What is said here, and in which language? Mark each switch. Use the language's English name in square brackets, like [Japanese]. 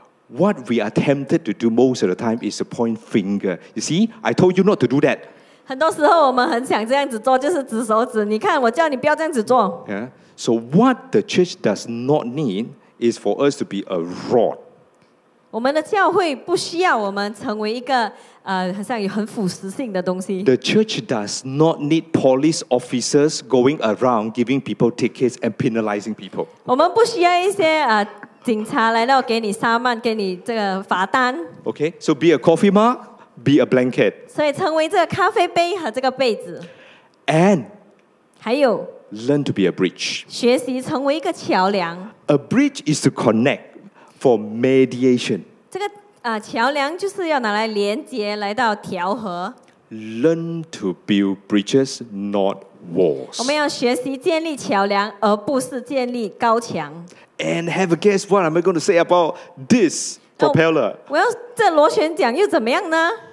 [English] What we are tempted to do most of the time is to point finger. You see, I told you not to do that. [Chinese] 很多时候我们很想这样子做，就是指手指。你看，我叫你不要这样子做。 [English] Yeah. So what the church does not need is for us to be a rod. [Chinese] 我们的教会不需要我们成为一个很像有很腐蚀性的东西。 [English] The church does not need police officers going around giving people tickets and penalizing people. [Chinese] 我们不需要一些警察来到给你沙曼，给你这个罚单。 [English] Okay, so be a coffee mug, be a blanket. [Chinese] 所以成为这个咖啡杯和这个被子。And 还有 [English] learn to be a bridge. [Chinese] 学习成为一个桥梁。 [English] A bridge is to connect. For mediation. [Chinese] 这个桥梁就是要拿来连接，来到调和。 [English] Learn to build bridges, not walls. [Chinese] 我们要学习建立桥梁，而不是建立高墙。 [English] And have a guess what am I going to say about this propeller? [Chinese] 我要这螺旋桨又怎么样呢？